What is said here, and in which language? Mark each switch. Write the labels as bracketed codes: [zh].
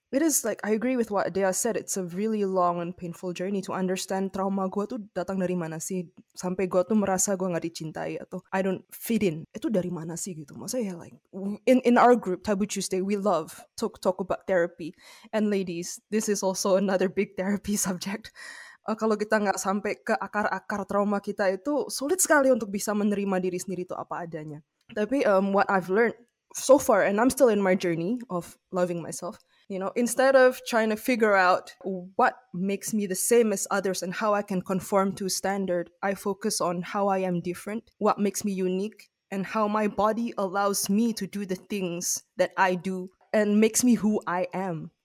[en] It is like, I agree with what Dea said, it's a really long and painful journey to understand trauma [id] gue tuh datang dari mana sih, sampai gue tuh merasa gue gak dicintai atau [en] I don't fit in. [id] Itu dari mana sih gitu? Maksudnya ya [en] like, in our group, Taboo Tuesday, we love to talk about therapy. And ladies, this is also another big therapy subject. [id] Kalau kita gak sampai ke akar-akar trauma kita itu, sulit sekali untuk bisa menerima diri sendiri tuh apa adanya. [en] Tapi what I've learned so far, and I'm still in my journey of loving myself, you know, instead of trying to figure out what makes me the same as others and how I can conform to standard, I focus on how I am different, what makes me unique, and how my body allows me to do the things that I do and makes me who I am.